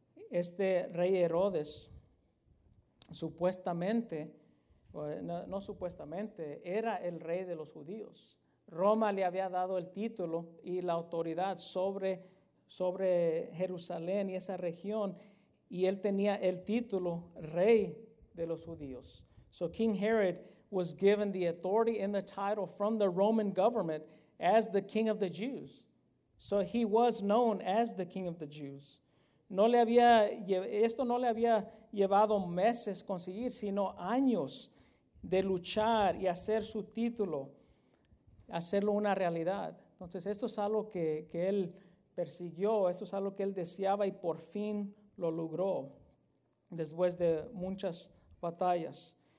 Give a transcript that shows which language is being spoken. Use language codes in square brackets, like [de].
[es] Este rey Herodes, supuestamente, no supuestamente, era el rey de los judíos. Roma le había dado el título y la autoridad sobre Jerusalén y esa región, y él tenía el título rey de los judíos. [en] So King Herod was given the authority and the title from the Roman government as the king of the Jews. So he was known as the king of the Jews. [es] Esto no le había llevado meses conseguir, sino años. de luchar y hacer su título, hacerlo una realidad. Entonces, esto es algo que él persiguió, esto es algo que él deseaba y por fin lo logró después de muchas batallas.